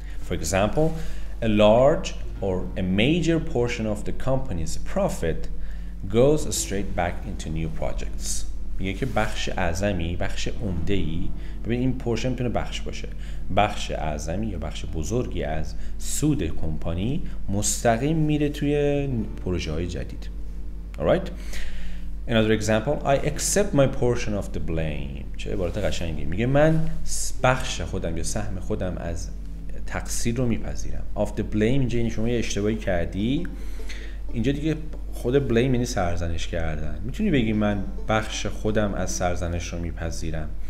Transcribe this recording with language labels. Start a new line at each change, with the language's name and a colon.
English: For example, a large or a major portion of the company's profit goes straight back into new projects.
Persian: میگه که بخش اعظمی، بخش عمده‌ای، ببین این پورشن میتونه بخش باشه، بخش اعظمی یا بخش بزرگی از سود کمپانی مستقیم میره توی پروژه های جدید. Alright.
English: Another example, I accept my portion of the blame.
Persian: چه عبارت قشنگی. میگه من بخش خودم یا سهم خودم از تقصیر رو میپذیرم. Of the blame اینجا یعنی شما یه اشتباهی کردی. اینجا دیگه خود blame یعنی سرزنش کردن. میتونی بگی من بخش خودم از سرزنش رو میپذیرم.